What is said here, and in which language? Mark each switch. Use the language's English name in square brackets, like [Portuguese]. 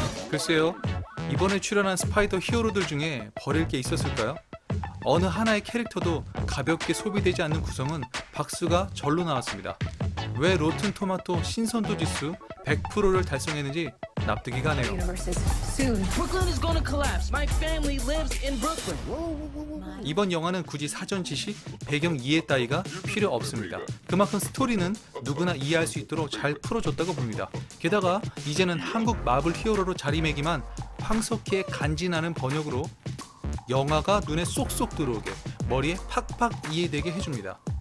[Korean] 글쎄요, 이번에 출연한 스파이더 히어로들 중에 버릴 게 있었을까요? 어느 하나의 캐릭터도 가볍게 소비되지 않는 구성은 박수가 절로 나왔습니다. 왜 로튼 토마토 신선도 지수 100%를 달성했는지 납득이 가네요. [English] Brooklyn is gonna collapse. My family lives in Brooklyn. [Korean] 이번 영화는 굳이 사전 지식, 배경 이해 따위가 필요 없습니다. 그만큼 스토리는 누구나 이해할 수 있도록 잘 풀어줬다고 봅니다. 게다가 이제는 한국 마블 히어로로 자리매김한 황석희의 간지나는 번역으로 영화가 눈에 쏙쏙 들어오게 머리에 팍팍 이해되게 해줍니다.